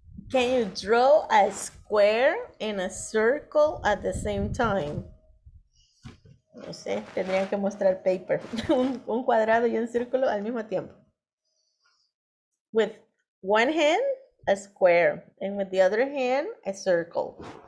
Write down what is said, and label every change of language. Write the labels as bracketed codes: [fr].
[en] Can you draw a square and a circle at the same time? [es] No sé, tendrían que mostrar paper. un cuadrado y un círculo al mismo tiempo. [en] With one hand, a square, and with the other hand, a circle.